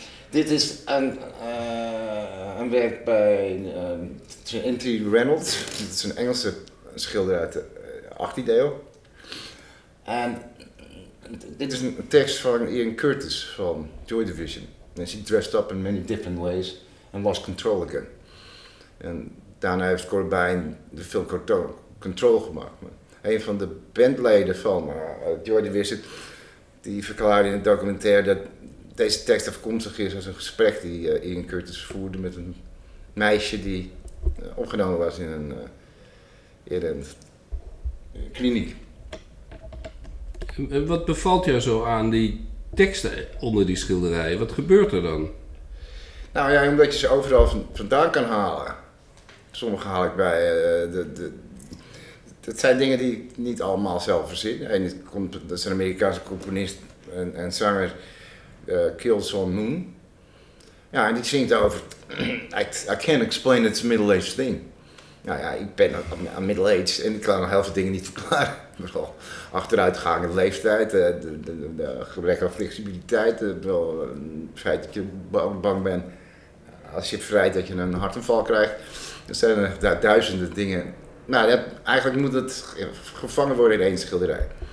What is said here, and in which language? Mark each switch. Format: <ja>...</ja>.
<nl>Dit is een werk bij Trinity Reynolds. Dit is een Engelse schilder uit de 18e eeuw. En dit is een tekst van Ian Curtis van Joy Division.</nl> <en>En she dressed up in many different ways and lost control again.</en> <nl>En daarna heeft Corbijn de film Control gemaakt. Maar een van de bandleden van Joy Division die verklaarde in het documentaire dat deze tekst afkomstig is als een gesprek die Ian Curtis voerde met een meisje die opgenomen was in een kliniek. En wat bevalt jou zo aan die teksten onder die schilderijen? Wat gebeurt er dan? Nou ja, omdat je ze overal vandaan kan halen. Sommige haal ik bij. Het zijn dingen die ik niet allemaal zelf verzin. Dat is een Amerikaanse componist en zanger. Killzone Moon. Ja, en die zingt over.</nl> <en>I can't explain it's a middle-aged thing.</en> <nl>Nou ja, ik ben aan middle-aged en ik kan nog heel veel dingen niet verklaren. Vooral achteruitgang in de leeftijd, de gebrek aan flexibiliteit. Wel het feit dat je bang bent als je vrijt dat je een hartaanval krijgt. Er zijn duizenden dingen. Nou, eigenlijk moet het gevangen worden in één schilderij.</nl>